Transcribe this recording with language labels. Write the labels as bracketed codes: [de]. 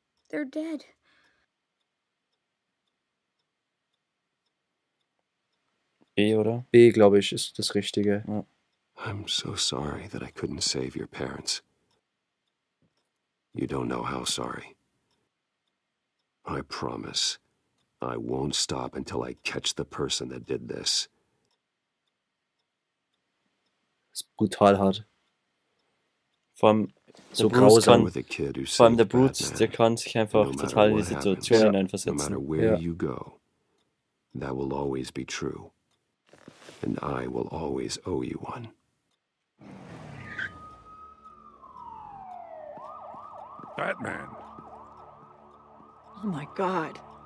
[en] They're dead. [de] B, oder? B, glaube ich, ist das Richtige. Ja. [en] I'm so sorry that I couldn't save your parents. You don't know how sorry. I promise, I won't stop until I catch the person that did this. [de] Das ist brutal hart. Vor allem, so grausam. Vor allem der Bruce, der kann sich einfach total in die Situation hineinversetzen. [en] No matter where you go, that will always be true. And I will always owe you one. Batman! Oh my God.